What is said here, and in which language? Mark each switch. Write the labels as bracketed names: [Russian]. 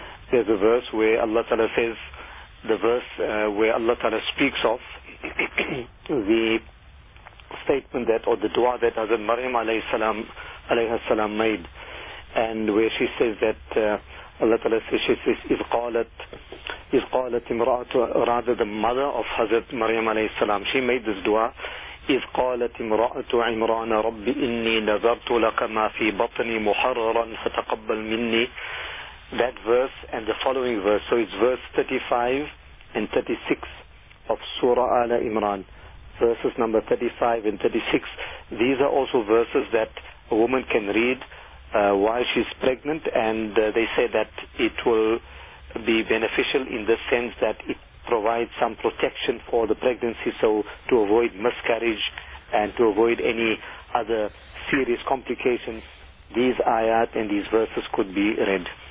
[English] There's a verse where Allah Ta'ala says, the verse where Allah Ta'ala speaks of the statement that, or the dua that Hazrat Maryam alayhi salam made, and where she says that Allah Ta'ala says, she says, [Arabic] Iz qalat imra'atu, [English] the mother of Hazrat Maryam alayhi salam, she made this dua. [Arabic] إذ قالت امرأة عمران رب إني نذرت لك ما في بطني محررا فتقبل مني. [English] That verse and the following verse, so it's verse 35 and 36 of Surah Ala Imran, verses number 35 and 36. These are also verses that a woman can read while she's pregnant, and they say that it will be beneficial in the sense that it provide some protection for the pregnancy, so to avoid miscarriage and to avoid any other serious complications, these ayat and these verses could be read.